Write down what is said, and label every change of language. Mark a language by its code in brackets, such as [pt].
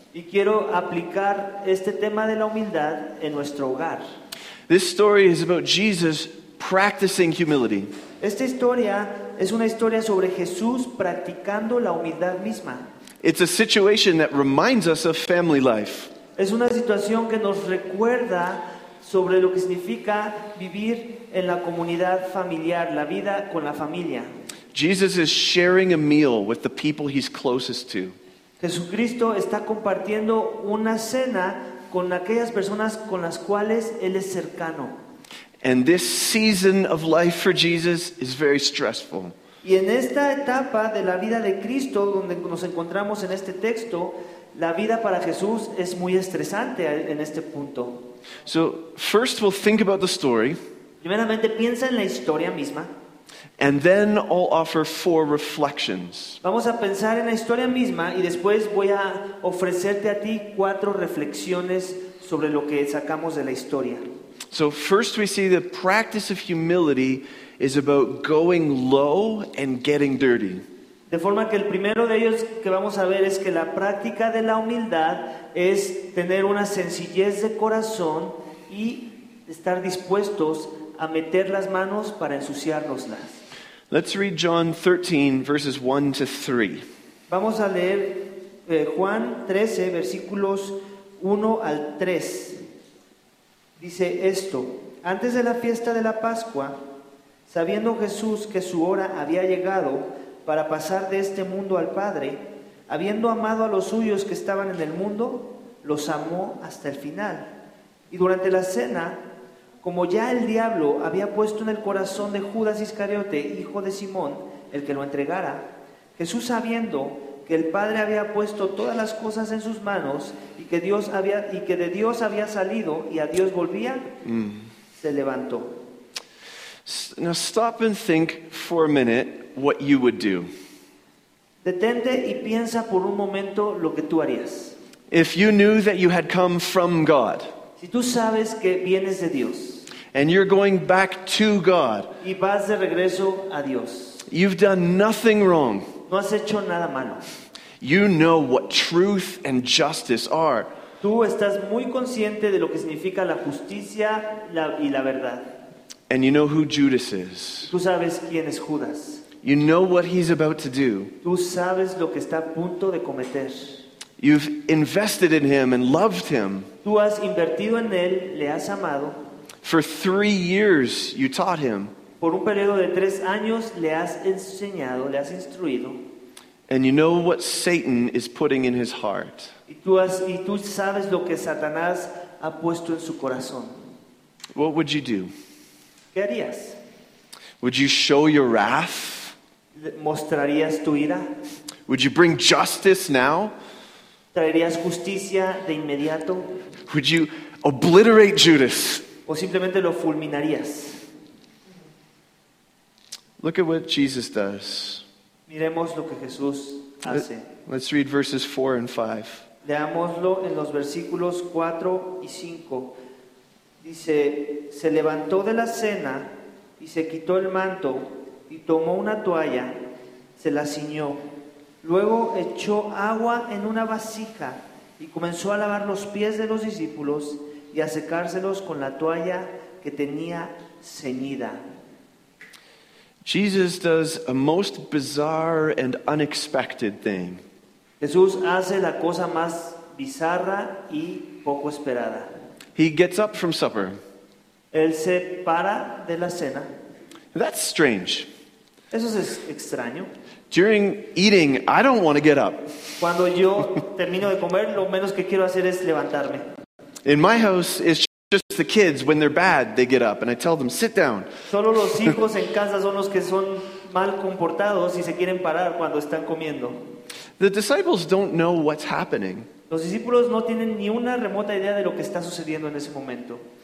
[es] Y quiero aplicar este tema de la humildad en nuestro hogar. [en] This story is about Jesus practicing humility. [es] Esta historia es una historia sobre Jesús practicando la humildad misma. [en] It's a situation that reminds us of family life. [es] Es una situación que nos recuerda sobre lo que significa vivir en la comunidad familiar, la vida con la familia. [en] Jesus is sharing a meal with the people he's closest to. [es] Jesucristo está compartiendo una cena con aquellas personas con las cuales él es cercano. [en] And this season of life for Jesus is very stressful. [es] Y en esta etapa de la vida de Cristo, donde nos encontramos en este texto, la vida para Jesús es muy estresante en este punto. [en] So, first we'll think about the story. [es] Primeramente piensa en la historia misma. [en] And then I'll offer four reflections. [es] Vamos a pensar en la historia misma y después voy a ofrecerte a ti cuatro reflexiones sobre lo que sacamos de la historia. [en] So first we see the practice of humility is about going low and getting dirty. [es] De forma que el primero de ellos que vamos a ver es que la práctica de la humildad es tener una sencillez de corazón y estar dispuestos a meter las manos para ensuciárnoslas. [en] Let's read John 13, verses 1 to 3. [es] Vamos a leer Juan 13, versículos 1 al 3. Dice esto: antes de la fiesta de la Pascua, sabiendo Jesús que su hora había llegado para pasar de este mundo al Padre, habiendo amado a los suyos que estaban en el mundo, los amó hasta el final. Y durante la cena, como ya el diablo había puesto en el corazón de Judas Iscariote, hijo de Simón, el que lo entregara, Jesús, sabiendo que el Padre había puesto todas las cosas en sus manos y que Dios había y que de Dios había salido y a Dios volvía, se levantó. [en] Now stop and think for a minute what you would do. [es] Detente y piensa por un momento lo que tú harías. [en] If you knew that you had come from God. [es] Si tú sabes que vienes de Dios. [en] And you're going back to God. [es] Y vas de regreso a Dios. [en] You've done nothing wrong. [es] No has hecho nada malo. [en] You know what truth and justice are. [es] Tú estás muy consciente de lo que significa la justicia y la verdad. [en] And you know who Judas is. [es] Tú sabes quién es Judas. [en] You know what he's about to do. [es] Tú sabes lo que está a punto de cometer. [en] You've invested in him and loved him. [es] Tú has invertido en él, le has amado. [en] For 3 years you taught him. [es] Por un periodo de 3 años le has enseñado, le has instruido. [en] And you know what Satan is putting in his heart. [es] Y tú sabes lo que Satanás ha puesto en su corazón. [en] What would you do? [es] ¿Qué harías? [en] Would you show your wrath? [es] ¿Mostrarías tu ira? [en] Would you bring justice now? [es] ¿Traerías justicia de inmediato? [en] Would you obliterate Judas? [es] ¿O simplemente lo fulminarías? [en] Look at what Jesus does. [es] Miremos lo que Jesús hace. [en] Let's read verses 4 and 5. [es] Leámoslo en los versículos 4 y 5. Dice: se levantó de la cena y se quitó el manto y tomó una toalla, se la ciñó. Luego echó agua en una vasija y comenzó a lavar los pies de los discípulos y a secárselos con la toalla que tenía ceñida. [en] Jesus does a most bizarre and unexpected thing. [es] Jesús hace la cosa más bizarra y poco esperada. [en] He gets up from supper. [es] Él se para de la cena. [en] That's strange. [es] Eso es extraño. [en] During eating, I don't want to get up. [es] Cuando yo termino de comer, lo menos que quiero hacer es levantarme. [en] In my house, it's just the kids. When they're bad, they get up, and I tell them, "Sit down." [es] Solo los hijos en casa son los que son mal comportados y se quieren parar cuando están comiendo. [en] The disciples don't know what's happening. [es] Los discípulos no tienen ni una remota idea de lo que está sucediendo en ese momento.